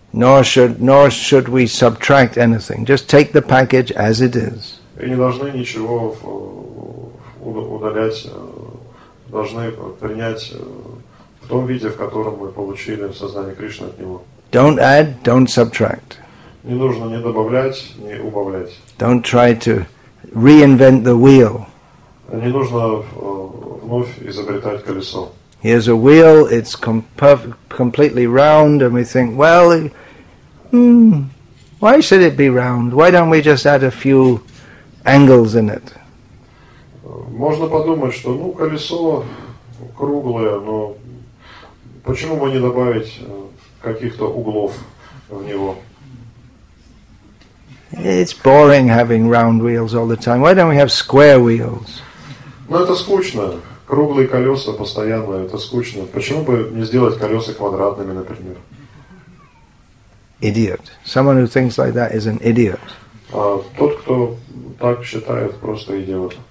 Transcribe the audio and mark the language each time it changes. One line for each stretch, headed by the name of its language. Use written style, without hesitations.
English: Nor should we subtract anything. Just take the package as it is.
Russian: И не должны ничего удалять, должны принять в том виде, в котором мы получили сознание Кришны от него.
English: Don't add, don't subtract.
Russian: Не нужно ни добавлять, ни убавлять.
English: Don't try to reinvent the wheel.
Russian: Не нужно вновь изобретать колесо.
English: Here's a wheel, it's completely round, and we think, well, why should it be round? Why don't we just add a few angles in it?
Russian: Можно подумать, что, ну, колесо круглое, но почему бы не добавить каких-то углов в него?
English: It's boring having round wheels all the time. Why don't we have square wheels?
Russian: Ну, это скучно. Круглые колеса постоянно, это скучно. Почему бы не сделать колеса квадратными, например?
English: Idiot. Someone who thinks like that is an idiot.
Russian: Тот, кто так считает, просто идиот.